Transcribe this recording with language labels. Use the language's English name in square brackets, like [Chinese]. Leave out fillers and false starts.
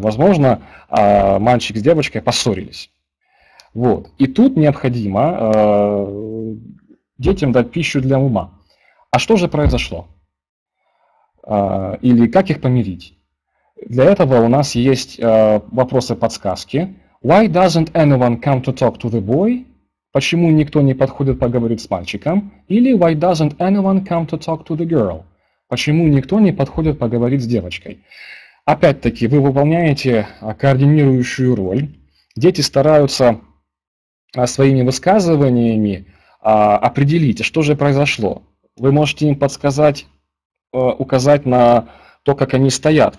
[Russian] Возможно, мальчик с девочкой поссорились. Вот. И тут необходимо детям дать пищу для ума. А что же произошло? Или как их помирить? Для этого у нас есть вопросы-подсказки. [English] Why doesn't anyone come to talk to the boy? [Russian] Почему никто не подходит поговорить с мальчиком? Или [English] why doesn't anyone come to talk to the girl? [Russian] Почему никто не подходит поговорить с девочкой? Опять-таки, вы выполняете координирующую роль. Дети стараются своими высказываниями определить, что же произошло. Вы можете им подсказать, указать на то, как они стоят.